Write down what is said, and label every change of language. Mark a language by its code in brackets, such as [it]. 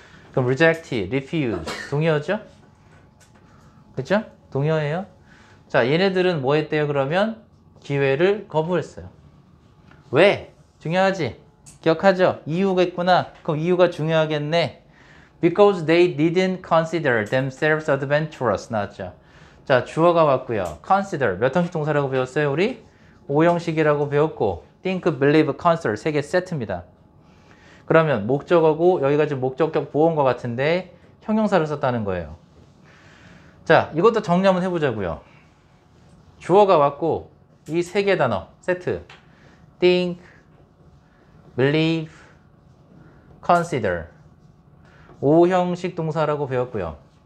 [ko] 그럼 rejected, refuse 동의어죠? 그렇죠? 동의어예요. 자, 얘네들은 뭐 했대요? 그러면 기회를 거부했어요. 왜? 중요하지? 기억하죠? 이유겠구나. 그럼 이유가 중요하겠네. [en] Because they didn't consider themselves adventurous [ko] 나왔죠? 자, 주어가 왔고요. Consider 몇 형식 동사라고 배웠어요, 우리? 5형식이라고 배웠고, think, believe, consider 3개 세트입니다. 그러면 목적어고 여기가 지금 목적격 보호인 것 같은데 형용사를 썼다는 거예요. 자, 이것도 정리 한번 해보자고요. 주어가 왔고 이 3개 단어 세트, think, believe, consider 5형식 동사라고 배웠고요.